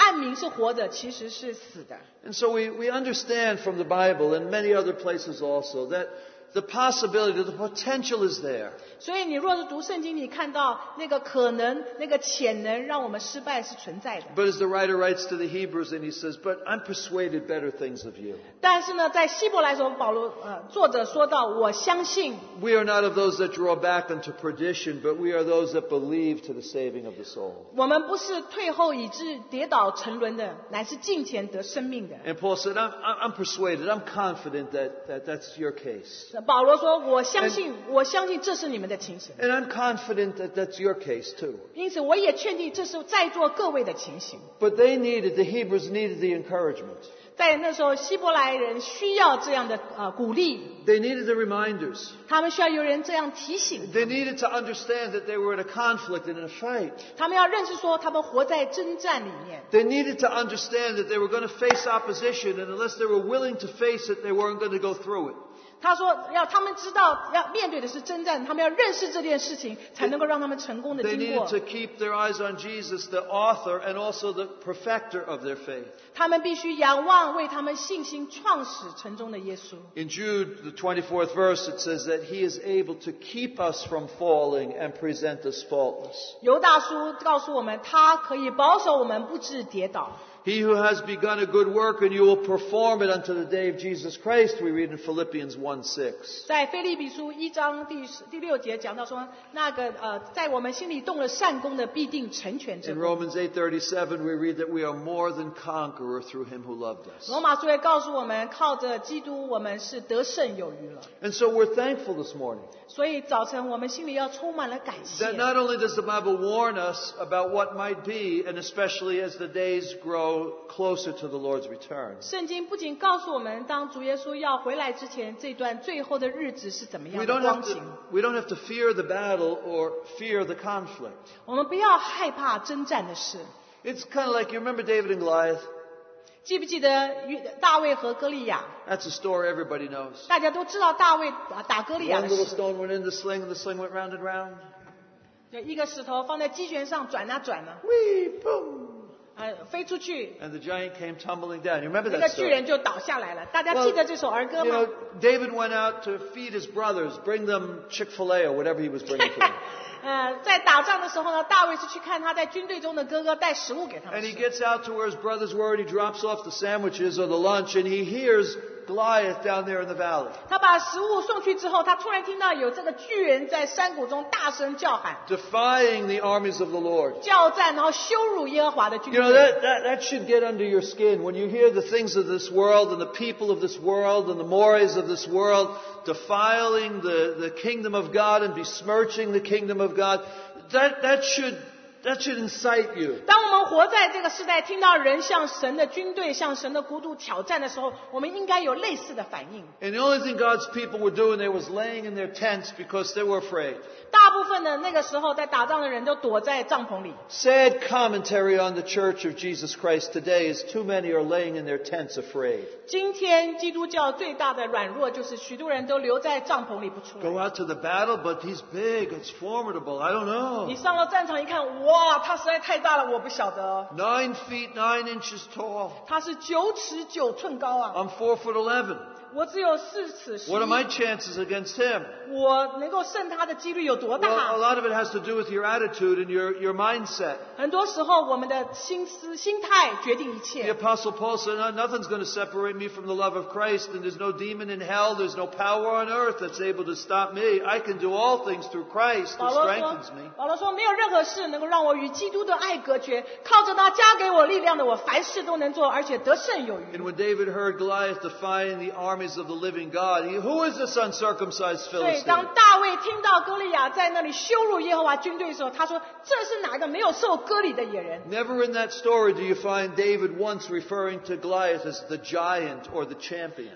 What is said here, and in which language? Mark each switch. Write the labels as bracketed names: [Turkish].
[Chinese] 然后讲到在启示录也讲到说那个撒底的教会，你暗名是活着，其实是死的。 [English] And so we understand from the Bible and many other places also that the possibility, the potential is there. [Chinese] 所以你若是读圣经，你看到那个可能，那个潜能，让我们失败是存在的。 [English] But as the writer writes to the Hebrews, and he says, "But I'm persuaded better things of you." [Chinese] 但是呢，在希伯来说，保罗作者说到，我相信。 [English] We are not of those that draw back unto perdition, but we are those that believe to the saving of the soul. [Chinese] 我们不是退后以致跌倒沉沦的，乃是进前得生命的。 [English] And Paul said, "I'm persuaded. I'm confident that's your case." [Chinese] 保罗说，我相信这是你们的情形。 [English] And I'm confident that's your case too. [Chinese] 因此，我也确定这是在座各位的情形。 [English] But they needed, the Hebrews needed the encouragement. [Chinese] 在那时候，希伯来人需要这样的鼓励。 [English] They needed the reminders. [Chinese] 他们需要有人这样提醒。 [English] They needed to understand that they were in a conflict and in a fight. [Chinese] 他们要认识说，他们活在征战里面。 [English] They needed to understand that they were going to face opposition, and unless they were willing to face it, they weren't going to go through it. [Chinese] 他说要他们知道要面对的是征战，他们要认识这件事情，才能够让他们成功的经过。 [English] They needed to keep their eyes on Jesus, the author and also the perfecter of their faith. [Chinese] 他们必须仰望为他们信心创始成终的耶稣。 [English] In Jude, the 24th verse, it says that he is able to keep us from falling and present us faultless. [Chinese] 犹大书告诉我们，他可以保守我们不致跌倒。 [English] He who has begun a good work and you will perform it unto the day of Jesus Christ, we read in Philippians 1:6. [Chinese] 在腓立比书一章第六节讲到说，那个在我们心里动了善功的必定成全之。 [English] In Romans 8:37, we read that we are more than conqueror through him who loved us. [Chinese] 罗马书也告诉我们，靠着基督，我们是得胜有余了。 [English] And so we're thankful this morning. [Chinese] 所以早晨我们心里要充满了感谢。 [English] That not only does the Bible warn us about what might be, and especially as the days grow closer to the Lord's return. [Chinese] 圣经不仅告诉我们，当主耶稣要回来之前，这段最后的日子是怎么样的光景。 [English] We don't have to fear the battle or fear the conflict. [Chinese] 我们不要害怕征战的事。 [English] It's kind of like, you remember David and Goliath? [Chinese] 记不记得大卫和哥利亚？ [English] That's a story everybody knows. [Chinese] 大家都知道大卫打哥利亚的事。 [English] One little stone went in the sling, and the sling went round and round. [Chinese] 就一个石头放在机旋上转啊转啊。 [English] Wee, boom. [Chinese] 飞出去 [English] and the giant came tumbling down. You remember that story? [Chinese] 那个巨人就倒下来了。大家记得这首儿歌吗？ [English] Well, you know, David went out to feed his brothers, bring them Chick-fil-A or whatever he was bringing for them. [Chinese] 在打仗的时候呢，大卫是去看他在军队中的哥哥带食物给他们吃。 [English] And he gets out to where his brothers were and he drops off the sandwiches or the lunch and he hears Goliath down there in the valley. [Chinese] 他把食物送去之后，他突然听到有这个巨人在山谷中大声叫喊。 [English] Defying the armies of the Lord. [Chinese] 叫战，然后羞辱耶和华的军队。 [English] You know, that should get under your skin. When you hear the things of this world and the people of this world and the mores of this world defiling the kingdom of God and besmirching the kingdom of God, that should incite you. [Chinese] 当我们活在这个时代，听到人向神的军队、向神的国度挑战的时候，我们应该有类似的反应。 [English] And the only thing God's people were doing, they was laying in their tents because they were afraid. [Chinese] 大部分的那个时候在打仗的人都躲在帐篷里。 [English] Sad commentary on the Church of Jesus Christ today is too many are laying in their tents afraid. [Chinese] 今天基督教最大的软弱就是许多人都留在帐篷里不出来。 [English] Go out to the battle, but he's big, it's formidable. I don't know. [Chinese] 你上了战场一看，哇，他实在太大了，我不晓得。 [English] 9 feet 9 inches tall. [Chinese] 他是九尺九寸高啊。 [English] I'm 4 foot 11. [Chinese] 我只有四尺十一。 [English] What are my chances against him? [Chinese] 我能够胜他的几率有多大 [English] ？Well, a lot of it has to do with your attitude and your mindset. [Chinese] 很多时候，我们的心思、心态决定一切。 [English] The Apostle Paul said, "Nothing's going to separate me from the love of Christ, and there's no demon in hell, there's no power on earth that's able to stop me. I can do all things through Christ who strengthens me." [Chinese] 保罗说，没有任何事能够让我与基督的爱隔绝。靠着他加给我力量的，我凡事都能做，而且得胜有余。 [English] And when David heard Goliath defying the armies of the living God, who is this uncircumcised Philistine? [Chinese] 对，当大卫听到哥利亚在那里羞辱耶和华军队的时候，他说：“这是哪个没有受割礼的野人？” [English] Never in that story do you find David once referring to Goliath as the giant or the champion.